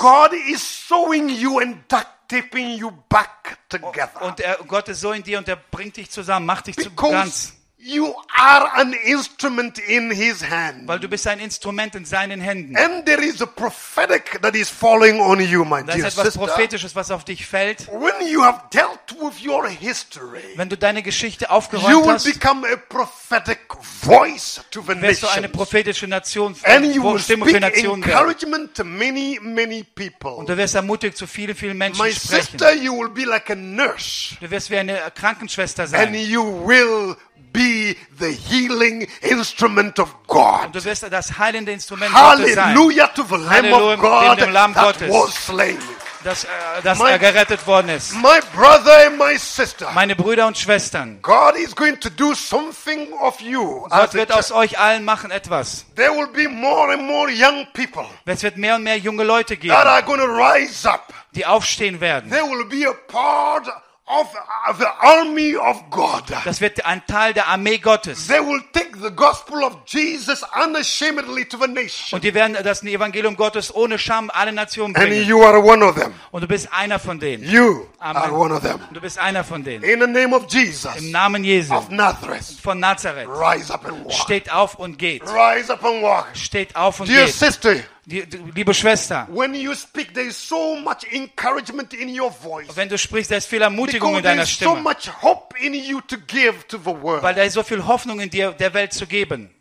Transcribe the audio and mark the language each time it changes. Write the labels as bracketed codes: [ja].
[en] And God is sewing you and duct taping you back together. [de] Und Gott ist so in dir und er bringt dich zusammen, macht dich [en] because [de] zu ganz. [en] You are an instrument in his hand. [de] Weil du bist ein Instrument in seinen Händen. [en] And there is a prophetic that is falling on you, my dear sister. [de] Das ist etwas Prophetisches, was auf dich fällt. [en] When you have dealt with your history, [de] wenn du deine Geschichte aufgeräumt [en] you will [de] hast, [en] become a prophetic voice to the [de] wirst [en] nations. [de] Du eine prophetische Nation [en] and you will [de] Stimme [en] speak [de] für Nationen [en] encouragement [de] werden. [en] To many, many people. [de] Und du wirst ermutigt zu vielen, vielen Menschen [en] my [de] sprechen. [en] My sister, you will be like a nurse. [de] Du wirst wie eine Krankenschwester sein. [en] And you will be the healing instrument of God. [de] Und du wirst das heilende Instrument [en] Hallelujah [de] Gottes sein. [en] Halleluja to the Lamb that [de] Gottes, [en] was slain. [de] Das er gerettet worden ist. [en] My brother and my sister. [de] Meine Brüder und Schwestern. [en] God is going to do something of you. [de] Gott wird aus euch allen machen etwas. [en] There will be more and more young people. [de] Es wird mehr und mehr junge Leute geben. [en] That are going to rise up. [de] Die aufstehen werden. [en] There will be a part of the army of God. [de] Das wird ein Teil der Armee Gottes. [en] They will take the gospel of Jesus unashamedly to the nation. [de] Und die werden das Evangelium Gottes ohne Scham alle Nationen bringen. [en] And you are one of them. [de] Und du bist einer von denen. [en] You are one of them. [de] Du bist einer von denen. [en] In the name of Jesus. [de] Im Namen Jesu. [en] Of Nazareth. [de] Von Nazareth. [en] Rise up and walk. [de] Steht auf und geht. [en] Rise up and walk. [de] Steht auf und geht. [en] Dear sister. [de] Liebe Schwester, [en] when you speak, there is so much encouragement in your voice. [de] Wenn du sprichst, da ist viel Ermutigung in deiner Stimme. [en] So much hope in you to give to the world. [de] Weil da ist so viel Hoffnung in dir, der Welt zu geben.